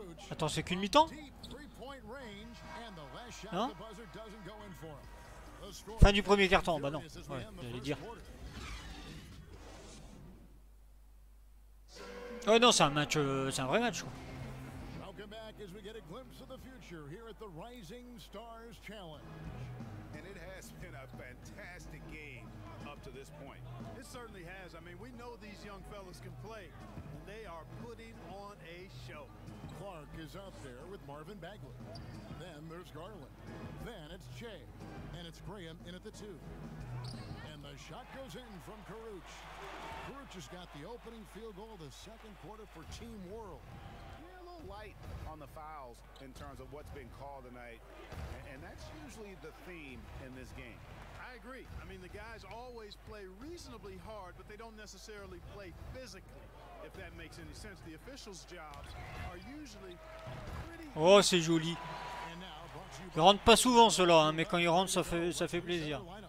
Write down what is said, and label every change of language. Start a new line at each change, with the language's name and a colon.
French: Attends, c'est qu'une mi-temps ? Non ? Fin du premier carton, bah non, ouais, j'allais dire. Ouais, non, c'est un match, c'est un vrai match, quoi.
English: Welcome back as we get a glimpse of the future here at the Rising Stars Challenge. And it has been a fantastic game up to this point. It certainly has. I mean, we know these young fellas can play. They are putting on a show. Clark is out there with Marvin Bagley. Then there's Garland. Then it's Che. And it's Graham in at the two. And the shot goes in from Karuch. Karuch has got the opening field goal of the second quarter for Team World. Yeah, a little light on the fouls in terms of what's been called tonight. And that's usually the theme in this game. I agree. I mean, the guys always play reasonably hard, but they don't necessarily play physically. If that makes any sense, the officials' jobs are usually pretty...
French: Oh, c'est joli. Ils rentrent pas souvent cela, hein, mais quand ils rentrent, ça fait plaisir.